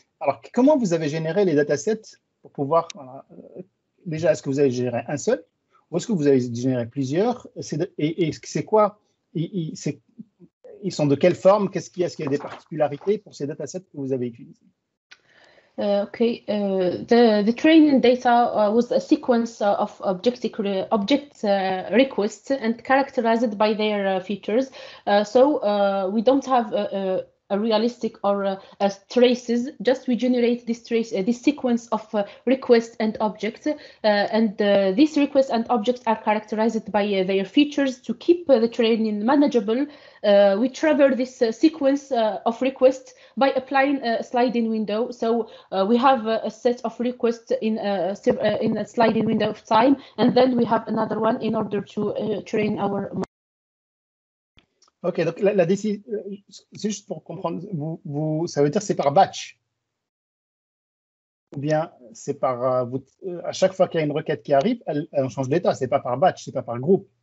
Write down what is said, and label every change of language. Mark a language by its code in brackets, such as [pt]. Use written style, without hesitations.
[fr] Alors comment vous avez généré les datasets pour pouvoir déjà est-ce que vous avez généré un seul? Ou est-ce que vous avez généré plusieurs? Ils sont de quelle forme? Est-ce qu'il y a des particularités pour ces datasets que vous avez utilisés? [en] The training data was a sequence of object requests and characterized by their features. So we don't have a realistic or traces, just we generate this sequence of requests and objects, and these requests and objects are characterized by their features. To keep the training manageable, we traverse this sequence of requests by applying a sliding window. So we have a set of requests in a sliding window of time, and then we have another one in order to train our model. [fr] Ok, donc la décision, c'est juste pour comprendre, vous, ça veut dire c'est par batch? Ou bien c'est par, à chaque fois qu'il y a une requête qui arrive, elle change d'état, c'est pas par batch, c'est pas par groupe.